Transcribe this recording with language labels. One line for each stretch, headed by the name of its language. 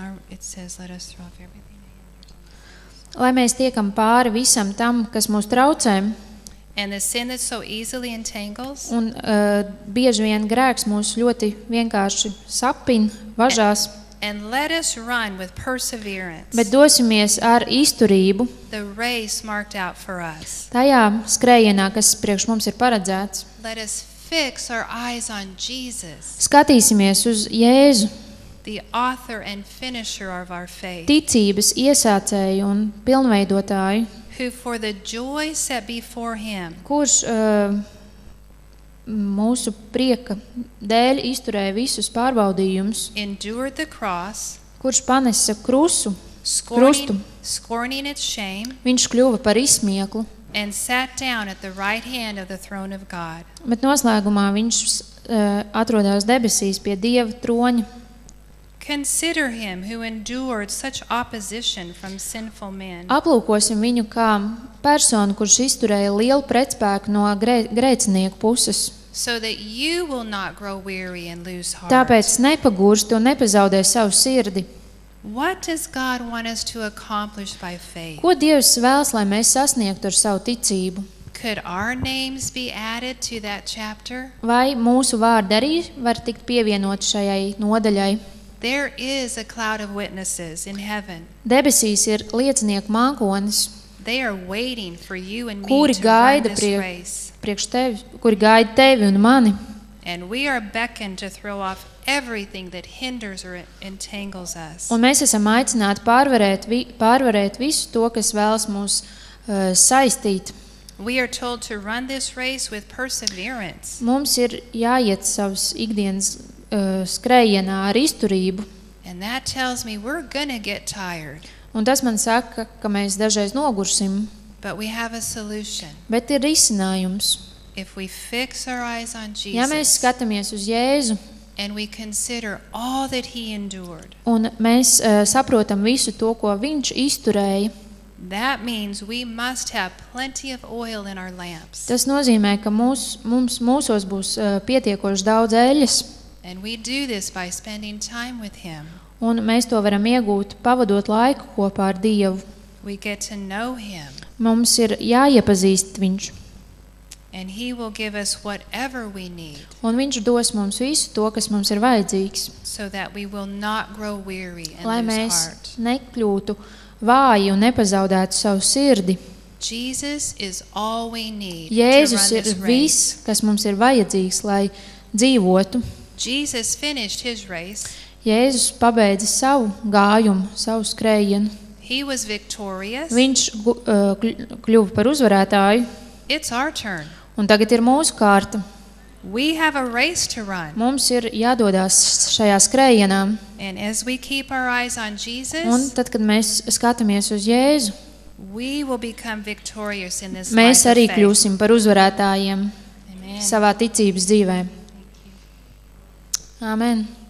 English: it says let us throw off everything that hinders.
Latvian: Lai mēs tiekam pāri visam tam, kas mūs traucē.
English: And the sin that so easily entangles.
Latvian: Un bieži vien grēks mūs ļoti vienkārši sapin, važās.
English: And let us run with perseverance.
Latvian: Bet dosimies ar izturību.
English: The race marked out for us.
Latvian: Tajā skrējienā, kas priekš mums ir paredzēts.
English: Let us fix our eyes on Jesus.
Latvian: Skatīsimies uz Jēzu.
English: The author and finisher of our faith.
Latvian: Ticības iesācēju un pilnveidotāju.
English: Who for the joy set before him.
Latvian: Kurš mūsu prieka dēļ izturēja visus pārbaudījumus.
English: Endured the cross.
Latvian: Kurš panesa krusu, krustu.
English: Scorning its shame.
Latvian: Viņš kļuva par izsmieklu.
English: And sat down at the right hand of the throne of God.
Latvian: Bet noslēgumā viņš atrodās debesīs pie Dieva troņa.
English: Consider him who endured such opposition from sinful men.
Latvian: Aplūkosim viņu kā personu, kurš izturēja lielu pretspēku no grēcinieku puses.
English: So that you will not grow weary and lose heart.
Latvian: Tāpēc nepagūsti un nepazaudē savu sirdi.
English: What does God want us to accomplish by faith?
Latvian: Ko Dievs vēlas, lai mēs sasniegtu ar savu ticību?
English: Could our names be added to that chapter?
Latvian: Vai mūsu vārdi arī var tikt pievienoti šajai nodaļai?
English: There is a cloud of witnesses in heaven.
Latvian: Debesīs ir liecinieku mākonis.
English: They are waiting for you and me.
Latvian: Kuri gaida priekš tevi, kuri gaida tevi un mani.
English: And we are beckoned to throw off everything that hinders or entangles us.
Latvian: Un mēs esam aicināti pārvarēt visu to, kas vēlas mūs saistīt.
English: We are told to run this race with perseverance.
Latvian: Mums ir jāiet savas ikdienas skrējienā ar izturību.
English: And that tells me we're gonna get tired.
Latvian: Un tas man saka, ka mēs dažreiz nogursim.
English: But we have a solution.
Latvian: Bet ir risinājums.
English: If we fix our eyes on Jesus.
Latvian: Ja mēs skatāmies uz Jēzu.
English: And we consider all that he endured.
Latvian: Un mēs saprotam visu to, ko viņš izturēja.
English: That means we must have plenty of oil in our lamps.
Latvian: Tas nozīmē, ka mūsos būs pietiekoši daudz eļas.
English: And we do this by spending time with him.
Latvian: Un mēs to varam iegūt, pavadot laiku kopā ar Dievu.
English: We get to know him.
Latvian: Mums ir jāiepazīst viņš.
English: And he will give us whatever we need.
Latvian: Un viņš dos mums visu to, kas mums ir vajadzīgs.
English: So that we will not grow weary and lose heart.
Latvian: Lai mēs nekļūtu vāji un nepazaudētu savu sirdi.
English: Jesus is all we need.
Latvian: Jēzus ir viss, kas mums ir vajadzīgs, lai dzīvotu.
English: Jesus finished his race.
Latvian: Jēzus pabeidza savu gājumu, savu skrējienu.
English: He was victorious.
Latvian: Viņš kļuva par uzvarētāju.
English: It's our turn.
Latvian: Un tagad ir mūsu kārta.
English: We have a race to run.
Latvian: Mums ir jādodās šajā skrējienā.
English: And as we keep our eyes on Jesus,
Latvian: un tad, kad mēs skatāmies uz Jēzu,
English: we will become victorious in this life.
Latvian: Mēs arī kļūsim par uzvarētājiem. Amen. Savā ticības dzīvē. Amen.